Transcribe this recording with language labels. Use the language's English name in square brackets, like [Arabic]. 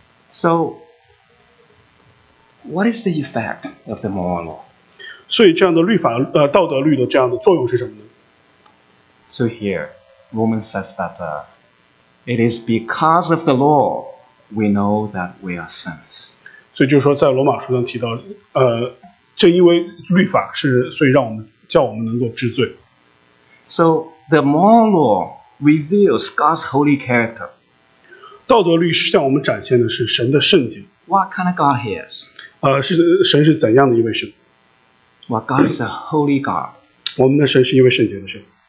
[English] So, what is the effect of the moral law? [Chinese] 所以这样的律法道德律的这样的作用是什么呢？ [English] So here, Romans says that it is because of the law we know that we are sinners. [Chinese] 所以就是说在罗马书上提到正因为律法是所以让我们叫我们能够知罪。 [English] So, the moral law reveals God's holy character. [Chinese] 道德律是向我们展现的是神的圣洁。 [English] What kind of God he is? [Chinese] 是神是怎样的一位神？ [English] Well, God is a holy God. [Chinese] 我们的神是一位圣洁的神。